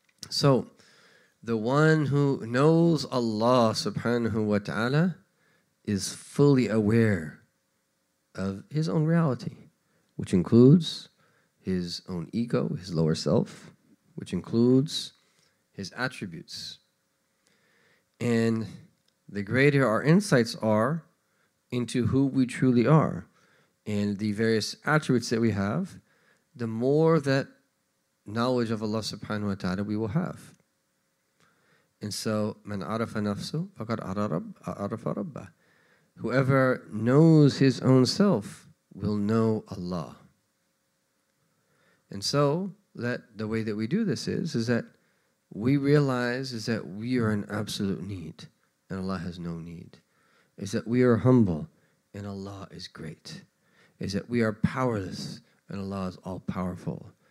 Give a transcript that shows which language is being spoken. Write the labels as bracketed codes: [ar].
[en] So, the one who knows Allah subhanahu wa ta'ala is fully aware of his own reality, which includes his own ego, his lower self, which includes his attributes. And the greater our insights are into who we truly are and the various attributes that we have, the more that knowledge of Allah subhanahu wa ta'ala we will have. And so, [ar] من عرف نفسه فقد عرف ربه. [en] Whoever knows his own self will know Allah. And so, that the way that we do this is that we realize is that we are in absolute need and Allah has no need. Is that we are humble and Allah is great. Is that we are powerless and Allah is all-powerful.